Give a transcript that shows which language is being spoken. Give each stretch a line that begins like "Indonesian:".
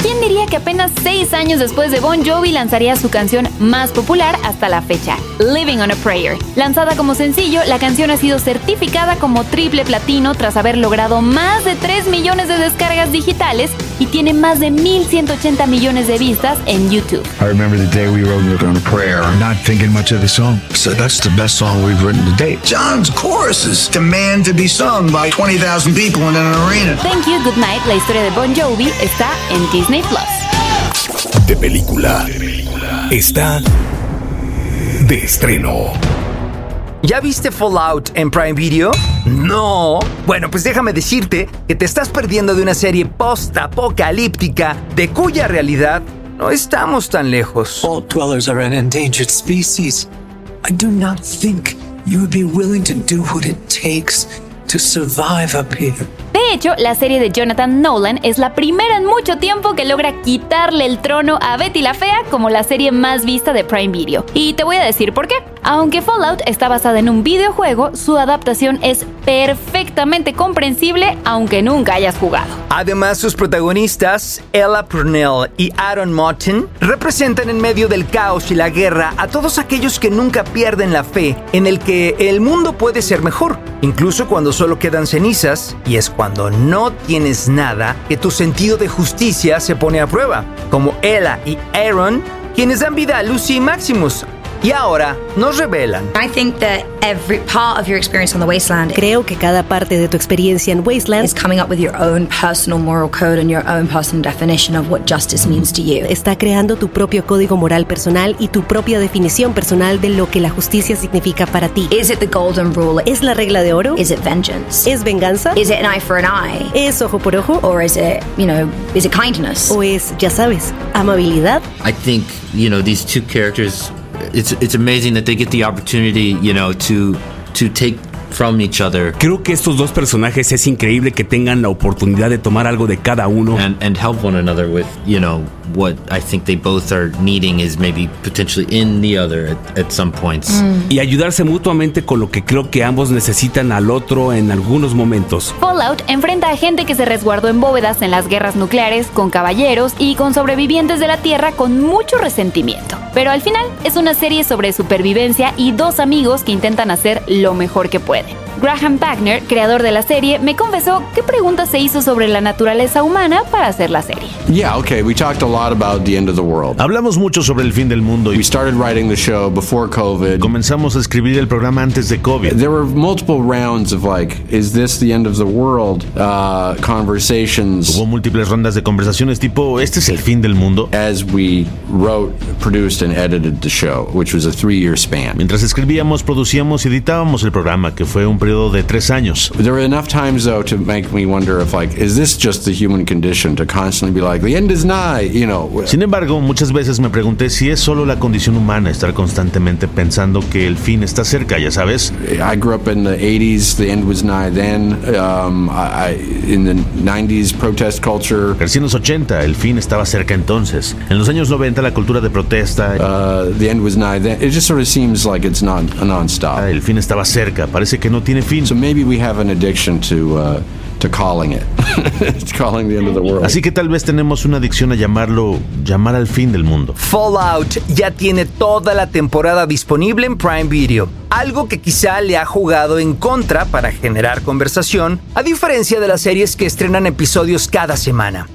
Spanish: ¿Quién diría que apenas 6 años después de Bon Jovi lanzaría su canción más popular hasta la fecha, Living on a Prayer? Lanzada como sencillo, la canción ha sido certificada como triple platino tras haber logrado más de 3 millones de descargas digitales y tiene más de 1180 millones de vistas en YouTube.
English: I remember the day we wrote "You're Gonna Pray." Not thinking much of the song. So that's the best song we've written to date. John's choruses demand to be sung by 20,000 people in an arena.
Spanish: Thank You, Good Night, la historia de Bon Jovi está en Disney Plus. De película está de estreno. ¿Ya viste Fallout en Prime Video? ¡No! Bueno, pues déjame decirte que te estás perdiendo de una serie post-apocalíptica de cuya realidad no estamos tan lejos.
English: All dwellers are an endangered species. I do not think you would be willing to do what it takes to survive up here.
Spanish: De hecho, la serie de Jonathan Nolan es la primera en mucho tiempo que logra quitarle el trono a Betty la Fea como la serie más vista de Prime Video. Y te voy a decir por qué. Aunque Fallout está basada en un videojuego, su adaptación es perfectamente comprensible aunque nunca hayas jugado. Además, sus protagonistas, Ella Purnell y Aaron Martin, representan en medio del caos y la guerra a todos aquellos que nunca pierden la fe en el que el mundo puede ser mejor, incluso cuando solo quedan cenizas y es cuando no tienes nada que tu sentido de justicia se pone a prueba, como Ella y Aaron, quienes dan vida a Lucy y Maximus. Y ahora nos revelan.
English: I think that every part of your experience on the wasteland.
Spanish: Creo que cada parte de tu experiencia en Wasteland
English: is coming up with your own personal moral code and your own personal definition of what justice means to you.
Spanish: Está creando tu propio código moral personal y tu propia definición personal de lo que la justicia significa para ti.
English: Is it the golden rule?
Spanish: ¿Es la regla de oro?
English: Is it vengeance?
Spanish: ¿Es venganza?
English: Is it an eye for an eye?
Spanish: ¿Es ojo por ojo?
English: Or is it, you know, is it kindness?
Spanish: ¿O es, ya sabes, amabilidad?
English: I think, you know, these two characters, It's amazing that they get the opportunity, you know, to take from each other.
Spanish: Creo que estos dos personajes es increíble que tengan la oportunidad de tomar algo de cada uno.
English: And help one another with, you know, what I think they both are needing is maybe potentially in the other at some points. Mm.
Spanish: Y ayudarse mutuamente con lo que creo que ambos necesitan al otro en algunos momentos. Fallout enfrenta a gente que se resguardó en bóvedas en las guerras nucleares, con caballeros y con sobrevivientes de la Tierra con mucho resentimiento. Pero al final es una serie sobre supervivencia y dos amigos que intentan hacer lo mejor que pueden. Graham Packner, creador de la serie, me confesó qué preguntas se hizo sobre la naturaleza humana para hacer la serie.
English: Yeah, okay, we talked a lot about the end of the world.
Spanish: Hablamos mucho sobre el fin del mundo.
English: We started writing the show before COVID.
Spanish: Comenzamos a escribir el programa antes de COVID.
English: There were multiple rounds of like, is this the end of the world conversations.
Spanish: Hubo múltiples rondas de conversaciones tipo, ¿este es el fin del mundo?
English: As we wrote, produced and edited the show, which was a 3-year span.
Spanish: Mientras escribíamos, producíamos y editábamos el programa, que fue un periodo de 3 años.
English: There were enough times though to make me wonder if like, is this just the human condition to constantly be like, the end is nigh, you know.
Spanish: Sin embargo, muchas veces me pregunté si es solo la condición humana estar constantemente pensando que el fin está cerca, ya sabes.
English: I grew up in the 80s, the end was nigh then. In the 90s, protest culture.
Spanish: Crecí en los 80, el fin estaba cerca entonces. En los años 90, la cultura de protesta.
English: The end was nigh then. It just sort of seems like it's not a non-stop.
Spanish: El fin estaba cerca, parece que no tiene fin.
English: So maybe we have an addiction to calling it. It's calling the end of the world.
Spanish: Así que tal vez tenemos una adicción a llamar al fin del mundo. Fallout ya tiene toda la temporada disponible en Prime Video, algo que quizá le ha jugado en contra para generar conversación, a diferencia de las series que estrenan episodios cada semana.